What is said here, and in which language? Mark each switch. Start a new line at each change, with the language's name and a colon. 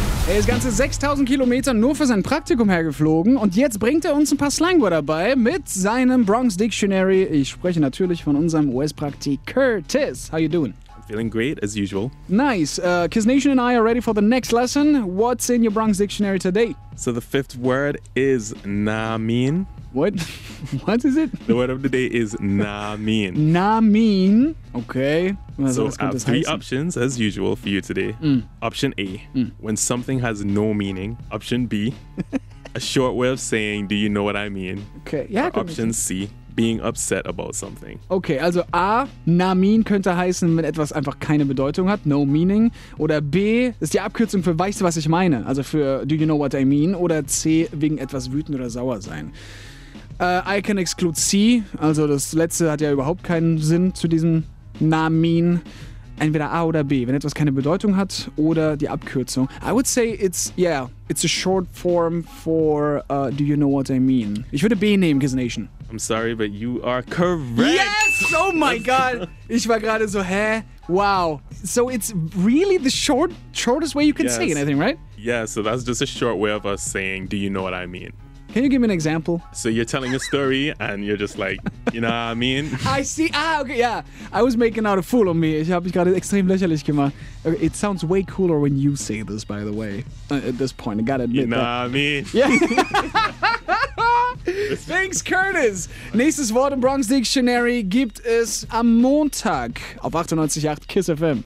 German: Er ist ganze 6000 Kilometer nur für sein Praktikum hergeflogen und jetzt bringt er uns ein paar Slangwörter bei mit seinem Bronx Dictionary. Ich spreche natürlich von unserem US-Praktikant Curtis.
English: How you doing? Feeling great, as usual. Nice. Kiz Nation and I are ready for the next lesson. What's in your Bronx Dictionary today? So the fifth word is namin. What? What is it? The word of the day is namin. Namin. Okay. So I have three options, as usual, for you today. Option A, when something has no meaning. Option B, a short way of saying, do you know what I mean? Okay, yeah. Option C, being upset about something.
German: Okay, also A, namin könnte heißen, wenn etwas einfach keine Bedeutung hat,
English: no meaning.
German: Oder B, ist die Abkürzung für weißt du, was ich meine? Also für
English: do you know what I mean?
German: Oder C, wegen etwas wütend oder sauer sein.
English: I can exclude C,
German: also das letzte hat ja überhaupt keinen Sinn zu diesem namin. Entweder A oder B, wenn etwas keine Bedeutung hat oder die Abkürzung.
English: I would say it's a short form for do you know what I mean?
German: Ich würde B nehmen, Kiz Nation.
English: I'm sorry, but you are correct. Yes! Oh my God!
German: Ich war gerade so, hä? Wow.
English: So it's really the shortest way you can say anything, right? Yeah, so that's just a short way of us saying, do you know what I mean? Can you give me an example? So you're telling a story and you're just like, you know what I mean? I see. Okay, yeah. I was making out a fool of me.
German: Ich habe mich gerade extrem lächerlich gemacht.
English: Okay, it sounds way cooler when you say this, by the way. At this point, I gotta admit that. You know what I mean? Yeah. Thanks, Curtis.
German: Nächstes Wort im Bronx Dictionary gibt es am Montag auf 98.8 KISS FM.